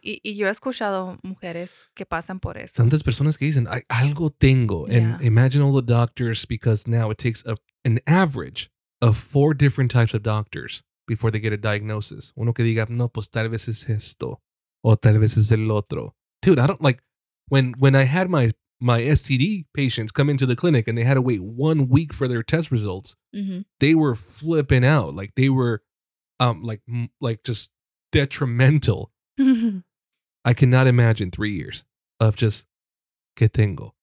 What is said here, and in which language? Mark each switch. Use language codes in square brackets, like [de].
[es] Y yo he escuchado mujeres que pasan por eso. Tantas personas que dicen, algo tengo. [en] Yeah. And imagine all the doctors, because now it takes an average of 4 different types of doctors before they get a diagnosis. [es] Uno que diga, no, pues tal vez es esto. O tal vez es el otro. [en] Dude, I don't like, when I had my STD patients come into the clinic and they had to wait 1 week for their test results, mm-hmm. they were flipping out. Like they were just detrimental. I cannot imagine 3 years of just, [es] que tengo.